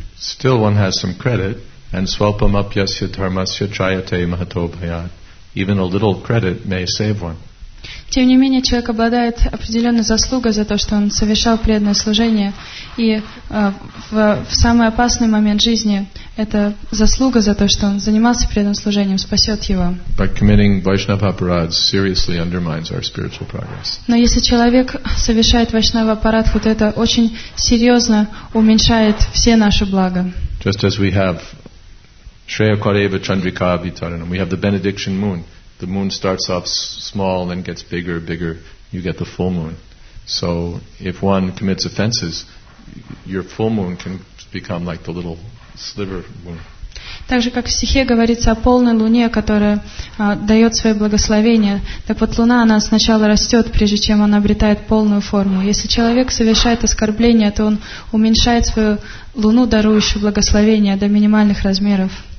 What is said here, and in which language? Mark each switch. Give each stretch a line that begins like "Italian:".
English: Still one has some credit, and
Sanskrit: svalpam apyasya dharmasya chayate mahato bhayat.
English: Even a little credit may save one.
Russian: Тем не менее, человек обладает определенной заслугой за то, что он совершал преданное служение, и в самый опасный момент жизни эта заслуга за то, что он занимался преданным служением, спасет его.
English: But committing Vaishnava aparads seriously undermines our spiritual progress.
Russian: Но если человек совершает Вайшнава апарадху, то это очень серьезно уменьшает все наши блага.
English: Just as we have
Sanskrit: Shreya Kareva Chandrika Vitaranam,
English: we have the benediction moon. The moon starts off small, then gets bigger, bigger. You get the full moon. So, if one commits offenses, your full moon can become like the little sliver moon.
Russian: Также как в стихе говорится о полной луне, которая дает свое благословение. Так вот луна, она сначала растет, прежде чем она обретает полную форму. Если человек совершает оскорбление, то он уменьшает свою луну, дарующую благословение, до минимальных размеров.